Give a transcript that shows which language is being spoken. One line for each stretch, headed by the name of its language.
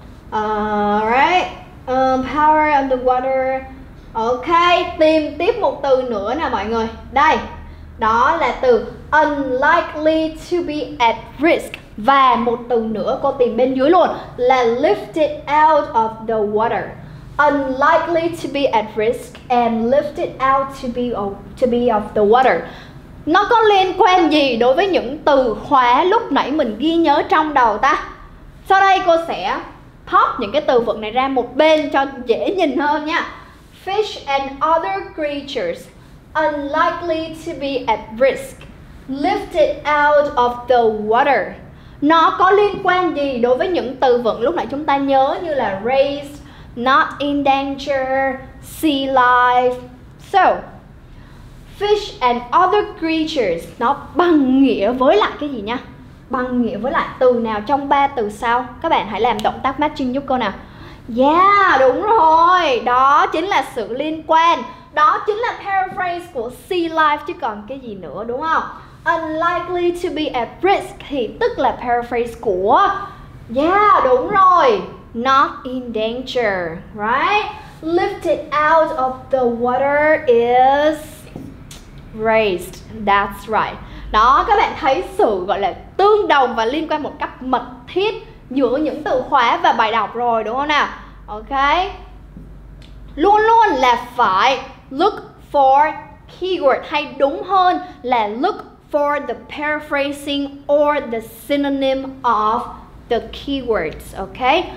English: Alright, power underwater.
Vietnamese: Ok, tìm tiếp một từ nữa nè mọi người. Đây, đó là từ
English: unlikely to be at risk.
Vietnamese: Và một từ nữa cô tìm bên dưới luôn, là
English: lifted out of the water.
Vietnamese: unlikely to be at risk and lifted out to be of the water. Nó có liên quan gì đối với những từ khóa lúc nãy mình ghi nhớ trong đầu ta? Sau đây cô sẽ pop những cái từ vựng này ra một bên cho dễ nhìn hơn nha.
English: Fish and other creatures unlikely to be at risk lifted out of the water.
Vietnamese: Nó có liên quan gì đối với những từ vựng lúc nãy chúng ta nhớ như là
English: raised, not in danger, sea life. So, fish and other creatures,
Vietnamese: nó bằng nghĩa với lại cái gì nha? Bằng nghĩa với lại từ nào trong ba từ sau? Các bạn hãy làm động tác matching giúp cô nào. Yeah, đúng rồi. Đó chính là sự liên quan. Đó chính là paraphrase của sea life chứ còn cái gì nữa đúng không?
English: Unlikely to be at risk
Vietnamese: thì tức là
English: paraphrase của yeah,
Vietnamese: đúng rồi.
English: Not in danger, right? Lifted out of the water is raised, that's right.
Vietnamese: Đó, các bạn thấy sự gọi là tương đồng và liên quan một cách mật thiết giữa những từ khóa và bài đọc rồi đúng không nào?
English: Ok.
Vietnamese: Luôn luôn là phải
English: look for keyword,
Vietnamese: hay đúng hơn là
English: look for the paraphrasing or the synonym of the keywords, ok?